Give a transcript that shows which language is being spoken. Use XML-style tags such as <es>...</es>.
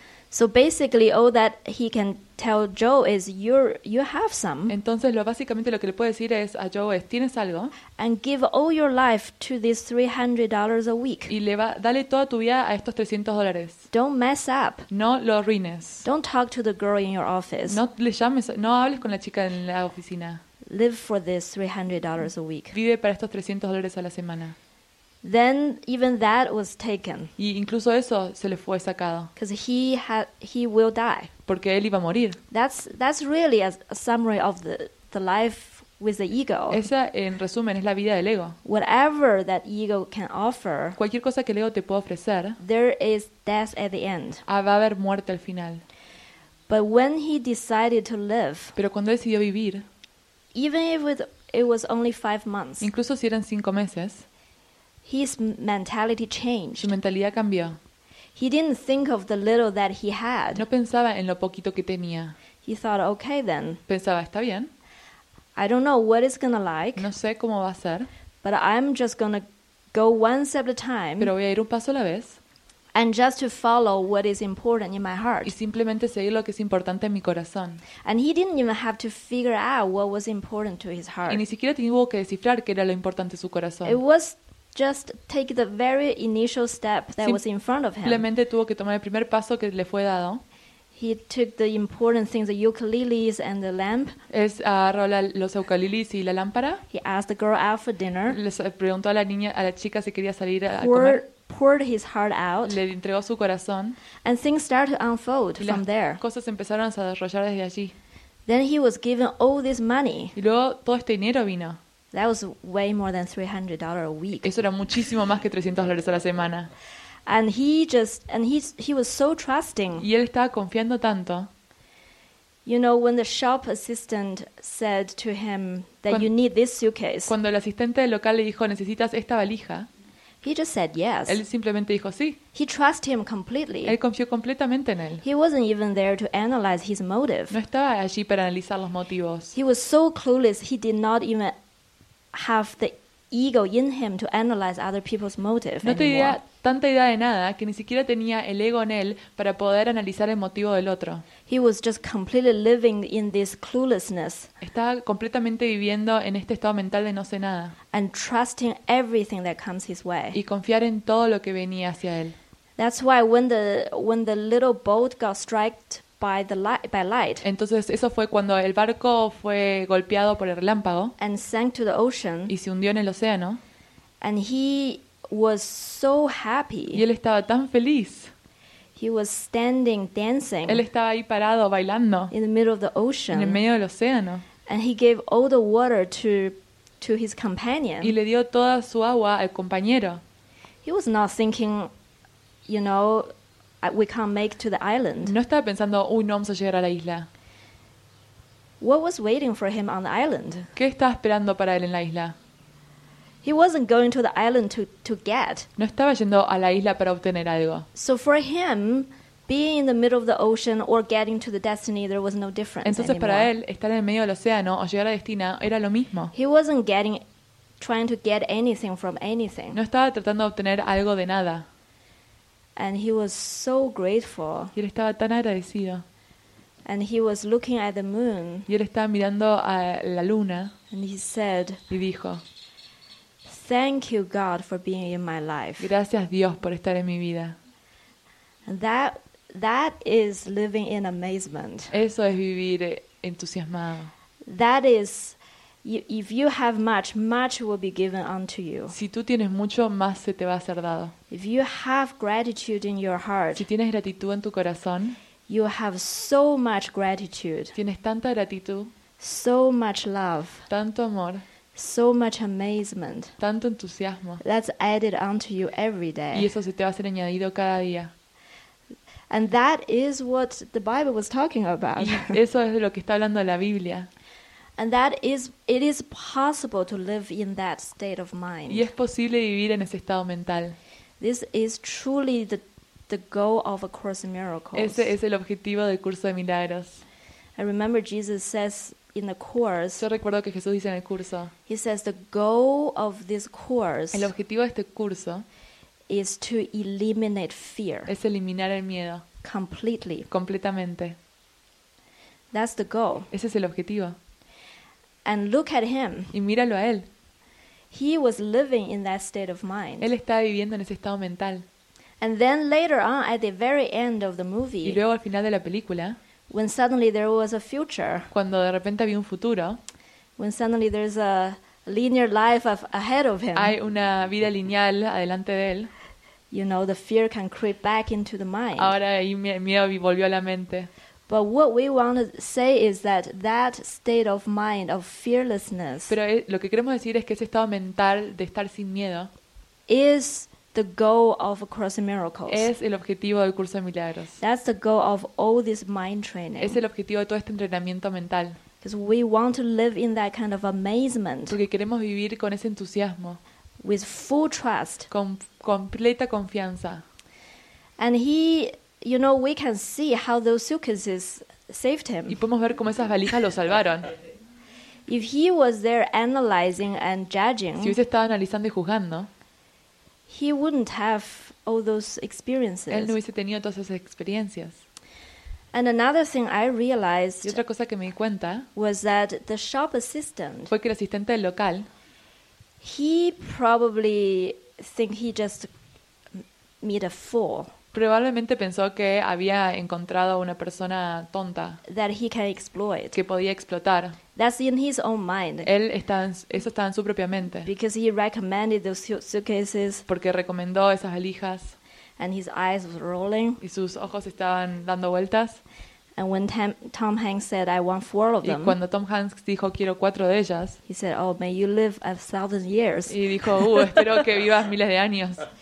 <en>So basically, all that he can tell Joe is you have some.</en> <es>Entonces, básicamente lo que le puede decir es a Joe es tienes algo.</es> <en>And give all your life to this $300 a week.</en> <es>Y dale toda tu vida a estos $300.</es> <en>Don't mess up.</en> <es>No lo arruines.</es> <en>Don't talk to the girl in your office.</en> <es>No hables con la chica en la oficina.</es> <en>Live for this $300 a week.</en> <es>Vive para estos $300 a la semana.</es> <en>Then even that was taken.</en> <es>Y incluso eso se le fue sacado.</es> <en>Because he will die.</en> <es>Porque él iba a morir.</es> <en>That's really a summary of the life with the ego.</en> <es>Esa en resumen es la vida del ego.</es> <en>Whatever that ego can offer.</en> <es>Cualquier cosa que el ego te pueda ofrecer.</es> <en>There is death at the end.</en> <es>Va a haber muerte al final.</es> <en>But when he decided to live.</en> <es>Pero cuando decidió vivir.</es> <en>Even if it was only 5 months.</en> <es>Incluso si eran 5 meses.</es> <en>His mentality changed.</en> <es>Su mentalidad cambió.</es> <en>He didn't think of the little that he had.</en> <es>No pensaba en lo poquito que tenía.</es> <en>He thought, okay then.</en> <es>Pensaba, está bien.</es> <en>I don't know what it's gonna like.</en> <es>No sé cómo va a ser.</es> <en>But I'm just gonna go one step at a time.</en> <es>Pero voy a ir un paso a la vez.</es> <en>And just to follow what is important in my heart.</en> <es>Y simplemente seguir lo que es importante en mi corazón.</es> <en>And he didn't even have to figure out what was important to his heart.</en> <es>Y ni siquiera tuvo que descifrar qué era lo importante en su corazón.</es> <en>It was just take the very initial step that was in front of him.</en> <es>Simplemente tuvo que tomar el primer paso que le fue dado.</es> <en>He took the important things, the ukuleles and the lamp.</en> <es>Es arrolar los ukuleles y la lámpara.</es> <en>He asked the girl out for dinner.</en> <es>Le preguntó a la chica si quería salir a comer.</es> <en>Poured his heart out.</en> <es>Le entregó su corazón.</es> <en>And things started to unfold from there.</en> <es>Las cosas empezaron a desarrollar desde allí.</es> <en>Then he was given all this money.</en> <es>Y luego todo este dinero vino.</es> <en>That was way more than $300 a week.</en> <es>Eso era muchísimo más que $300 a la semana.</es> <en>And he was so trusting.</en> <es>Y él estaba confiando tanto.</es> <en>You know, when the shop assistant said to him that you need this suitcase.</en> <es>Cuando el asistente del local le dijo, necesitas esta valija.</es> <en>He just said yes.</en> <es>Él simplemente dijo sí.</es> <en>He trusted him completely.</en> <es>Él confió completamente en él.</es> <en>He wasn't even there to analyze his motive.</en> <es>No estaba allí para analizar los motivos.</es> <en>He was so clueless, he did not even have the ego in him to analyze other people's motive.</en> <es>No tenía tanta idea de nada que ni siquiera tenía el ego en él para poder analizar el motivo del otro.</es> <en>He was just completely living in this cluelessness.</en> <es>Estaba completamente viviendo en este estado mental de no sé nada.</es> <en>And trusting everything that comes his way.</en> <es>Y confiar en todo lo que venía hacia él.</es> <en>That's why when the little boat got struck by the light, by light.</en> <es>Entonces eso fue cuando el barco fue golpeado por el relámpago.</es> <en>And sank to the ocean.</en> <es>Y se hundió en el océano.</es> <en>And he was so happy.</en> <es>Y él estaba tan feliz.</es> <en>He was standing dancing.</en> <es>Él estaba ahí parado bailando.</es> <en>In the middle of the ocean.</en> <es>En el medio del océano.</es> <en>And he gave all the water to his companion.</en> <es>Y le dio toda su agua al compañero.</es> <en>He was not thinking, you know, we can't make to the island.</en> <es>No estaba pensando, uy, no vamos a llegar a la isla.</es> <en>What was waiting for him on the island?</en> <es>¿Qué estaba esperando para él en la isla?</es> <en>He wasn't going to the island to get.</en> <es>No estaba yendo a la isla para obtener algo.</es> <en>So for him, being in the middle of the ocean or getting to the destiny, there was no difference.</en> <es>Entonces</es> <en>anymore.</en> <es>Para él, estar en el medio del océano o llegar a destino era lo mismo.</es> <en>He wasn't trying to get anything from anything.</en> <es>No estaba tratando de obtener algo de nada.</es> <en>And he was so grateful.</en> <es>Y él estaba tan agradecido.</es> <en>And he was looking at the moon.</en> <es>Y él estaba mirando a la luna.</es> <en>And he said.</en> <es>Y dijo.</es> <en>Thank you, God, for being in my life.</en> <es>Gracias, Dios, por estar en mi vida.</es> <en>And that is living in amazement.</en> <es>Eso es vivir entusiasmado.</es> <en>That is, if you have much, much will be given unto you.</en> <es>Si tú tienes mucho, más se te va a ser dado.</es> <en>If you have gratitude in your heart,</en> <es>si tienes gratitud en tu corazón,</es> <en>you have so much gratitude,</en> <es>tienes tanta gratitud,</es> <en>so much love,</en> <es>tanto amor,</es> <en>so much amazement,</en> <es>tanto entusiasmo,</es> <en>that's added unto you every day.</en> <es>Y eso se te va a ser añadido cada día.</es> <en>And that is what the Bible was talking about.</en> <es>Y eso es de lo que está hablando la Biblia.</es> <en>And that is, it is possible to live in that state of mind.</en> <es>Y es posible vivir en ese estado mental.</es> <en>This is truly the the goal of A Course in Miracles.</en> <es>Ese es el objetivo del curso de milagros.</es> <en>I remember Jesus says in the course.</en> <es>Yo recuerdo que Jesús dice en el curso.</es> <en>He says the goal of this course.</en> <es>El objetivo de este curso</es> <en>is to eliminate fear.</en> <es>Es eliminar el miedo.</es> <en>Completely.</en> <es>Completamente.</es> <en>That's the goal.</en> <es>Ese es el objetivo.</es> <en>And look at him.</en> <es>Y míralo a él.</es> <en>He was living in that state of mind.</en> <es>Él estaba viviendo en ese estado mental.</es> <en>And then later on, at the very end of the movie.</en> <es>Y luego al final de la película.</es> <en>When suddenly there was a future.</en> <es>Cuando de repente había un futuro.</es> <en>When suddenly there's a linear life ahead of him.</en> <es>Hay una vida lineal adelante de él.</es> <en>You know, the fear can creep back into the mind.</en> <es>Ahora el miedo volvió a la mente.</es> <en>But what we want to say is that that state of mind of fearlessness.</en> <es>Pero lo que queremos decir es que ese estado mental de estar sin miedo</es> <en>is the goal of A Course in Miracles.</en> <es>Es el objetivo del curso de milagros.</es> <en>That's the goal of all this mind training.</en> <es>Es el objetivo de todo este entrenamiento mental.</es> <en>Because we want to live in that kind of amazement.</en> <es>Porque queremos vivir con ese entusiasmo.</es> <en>With full trust.</en> <es>Con completa confianza.</es> <en>And he, you know, we can see how those suitcases saved him.</en> <es>Y podemos ver cómo esas valijas lo salvaron.</es> <en>If he was there analyzing and judging,</en> <es>si hubiese estado analizando y juzgando,</es> <en>he wouldn't have all those experiences.</en> <es>Él no hubiese tenido todas esas experiencias.</es> <en>And another thing I realized,</en> <es>y otra cosa que me di cuenta,</es> <en>was that the shop assistant,</en> <es>fue que el asistente del local,</es> <en>he probably think he just met a fool.</en> <es>Probablemente pensó que había encontrado una persona tonta</es> <en>that he can exploit.</en> <es>Que podía explotar.</es> <en>That's in his own mind.</en> <es>Él está en, eso estaba en su propia mente.</es> <en>Because he recommended those suitcases.</en> <es>Porque recomendó esas valijas.</es> <en>And his eyes was rolling.</en> <es>Y sus ojos estaban dando vueltas.</es> <en>And when Tom Hanks said, "I want four of them,"</en> <es>y cuando Tom Hanks dijo quiero cuatro de ellas,</es> <en>he said, "Oh, may you live a thousand years."</en> <es>Y dijo, espero que vivas miles de años.</es>